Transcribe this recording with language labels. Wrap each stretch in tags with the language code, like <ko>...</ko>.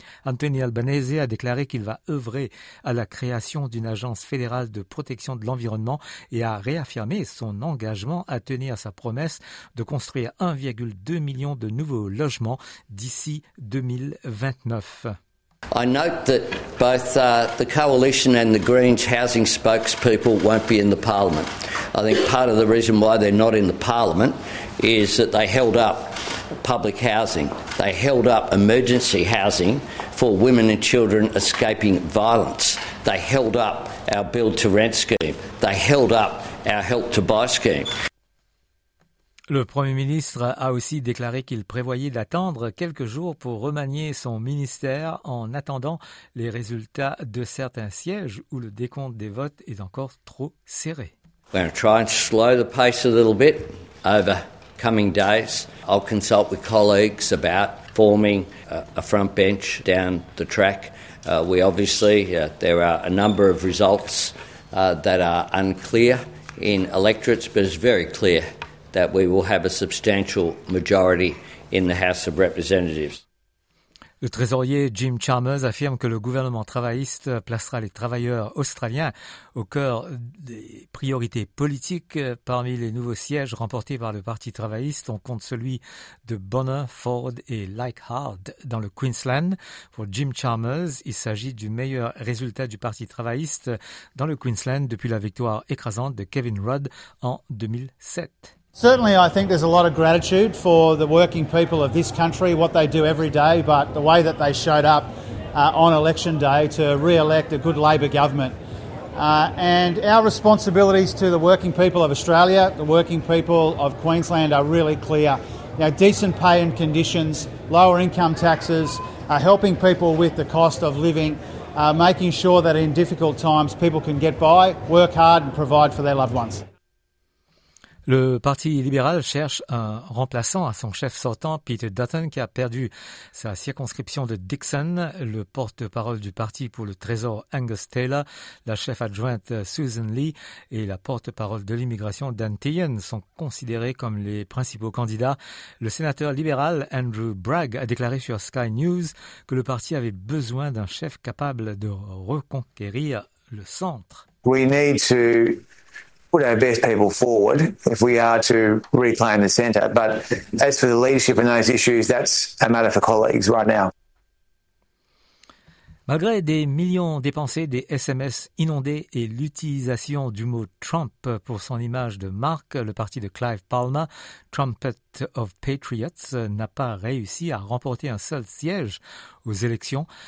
<fr>Anthony Albanese a déclaré qu'il va œuvrer à la création d'une agence fédérale de protection de l'environnement et a réaffirmé son engagement à tenir sa promesse de construire 1,2 million de nouveaux logement d'ici 2029.</fr> <en>I note that both the Coalition and the Greens housing spokespeople won't be in the Parliament. I think part of the reason why they're not in the Parliament is that they held up public housing. They held up emergency housing for women and children escaping violence. They held up our build to rent scheme. They held up our help to buy scheme.</en> <fr>Le Premier ministre a aussi déclaré qu'il prévoyait d'attendre quelques jours pour remanier son ministère en attendant les résultats de certains sièges où le décompte des votes est encore trop serré.</fr> <en>We're going to try and slow the pace a little bit over coming days. I'll consult with colleagues about forming a front bench down the track. There are a number of results that are unclear in electorates, but it's very clear that we will have a substantial majority in the House of Representatives.</en> <fr>Le trésorier Jim Chalmers affirme que le gouvernement travailliste placera les travailleurs australiens au cœur des priorités politiques. Parmi les nouveaux sièges remportés par le Parti travailliste, on compte celui de Bonner, Ford et Leichhardt dans le Queensland. Pour Jim Chalmers, il s'agit du meilleur résultat du Parti travailliste dans le Queensland depuis la victoire écrasante de Kevin Rudd en 2007.</fr> <en>Certainly, I think there's a lot of gratitude for the working people of this country, what they do every day, but the way that they showed up on election day to re-elect a good Labor government. And our responsibilities to the working people of Australia, the working people of Queensland are really clear. You know, decent pay and conditions, lower income taxes, helping people with the cost of living, making sure that in difficult times people can get by, work hard and provide for their loved ones.</en> <fr>Le Parti libéral cherche un remplaçant à son chef sortant, Peter Dutton, qui a perdu sa circonscription de Dixon. Le porte-parole du parti pour le Trésor, Angus Taylor, la chef adjointe Susan Lee et la porte-parole de l'immigration, Dan Tehan, sont considérés comme les principaux candidats. Le sénateur libéral, Andrew Bragg, a déclaré sur Sky News que le parti avait besoin d'un chef capable de reconquérir le centre.</fr> <en>We need to put our best people forward if we are to reclaim the centre. But as for the leadership in those issues, that's a matter for colleagues right now.</en> <fr>Malgré des millions dépensés, des SMS inondés et l'utilisation du mot Trump pour son image de marque, le parti de Clive Palmer, Trumpet of Patriots, n'a pas réussi à remporter un seul siège aux élections.</fr>